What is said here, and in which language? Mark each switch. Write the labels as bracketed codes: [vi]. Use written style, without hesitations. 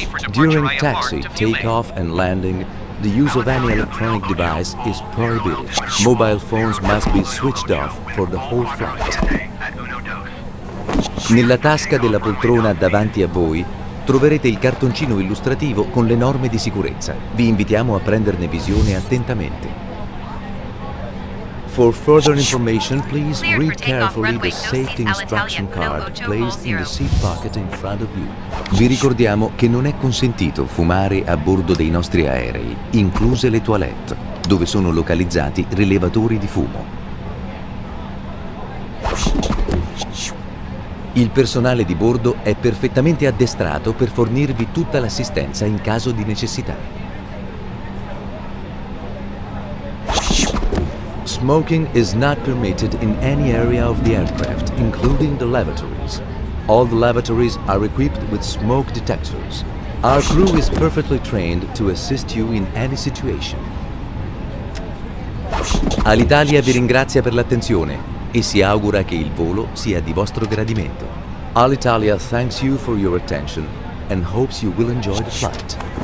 [en] During taxi, takeoff and landing, the use of any electronic device is prohibited. Mobile phones must be switched off for the whole flight. [it] Nella tasca della poltrona davanti a voi troverete il cartoncino illustrativo con le norme di sicurezza. Vi invitiamo a prenderne visione attentamente. [en] For further information, please read carefully the safety instruction card placed in the seat pocket in front of you. [it] Vi ricordiamo che non è consentito fumare a bordo dei nostri aerei, incluse le toilette, dove sono localizzati rilevatori di fumo. Il personale di bordo è perfettamente addestrato per fornirvi tutta l'assistenza in caso di necessità. [en] Smoking is not permitted in any area of the aircraft, including the lavatories. All the lavatories are equipped with smoke detectors. Our crew is perfectly trained to assist you in any situation. [it] Alitalia vi ringrazia per l'attenzione e si augura che il volo sia di vostro gradimento. [en] Alitalia thanks you for your attention and hopes you will enjoy the flight.